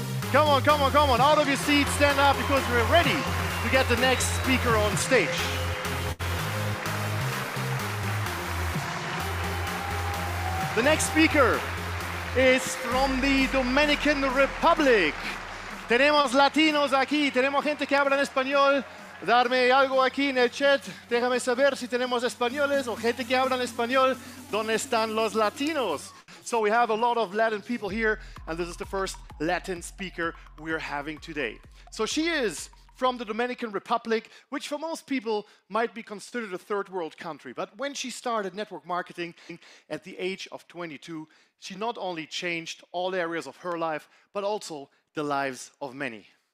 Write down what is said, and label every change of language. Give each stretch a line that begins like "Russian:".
English: Come on, come on, come on, out of your seats, stand up, because we're ready to get the next speaker on stage. The next speaker is from the Dominican Republic.
Spanish: Tenemos latinos aquí, tenemos gente que habla en español. Darme algo aquí en el chat. Déjame saber si tenemos españoles o gente que habla en español. ¿Dónde están los latinos?
English: So we have a lot of Latin people here, and this is the first Latin speaker we are having today. So she is from the Dominican Republic, which for most people might be considered a third world country. But when she started network marketing at the age of 22, she not only changed all areas of her life, but also the lives of many.